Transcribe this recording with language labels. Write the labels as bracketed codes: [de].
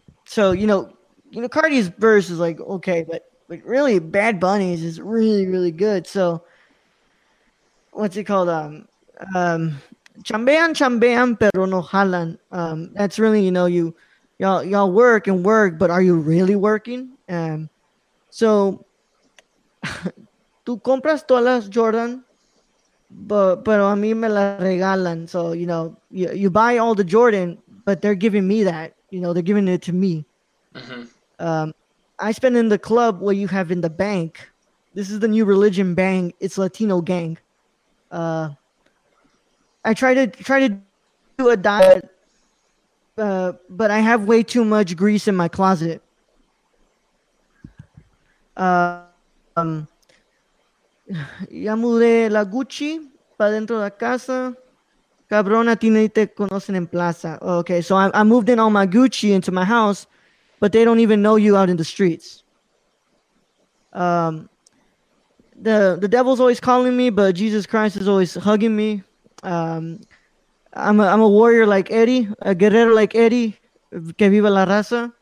[en] So you know, Cardi's verse is like okay, but really, Bad Bunny's is really, really good. So, what's it called? [es] Chambean, chambean, pero no jalan. [en] That's really, you know, y'all work and work, but are you really working? [es] So, tú compras todas las Jordan, pero a mí me la regalan. [en] So, you know, you buy all the Jordan, but they're giving me that. You know, they're giving it to me. Mm-hmm. I spend in the club what you have in the bank. This is the new religion bang. It's Latino gang. I try to do a diet, but I have way too much grease in my closet. [es] Ya mudé la Gucci pa dentro de la casa. Cabrona, tiene y te conocen en plaza. [en] Okay, so I moved in all my Gucci into my house, but they don't even know you out in the streets. The devil's always calling me, but Jesus Christ is always hugging me. I'm a warrior like Eddie, a guerrero like Eddie, [es] que viva la raza.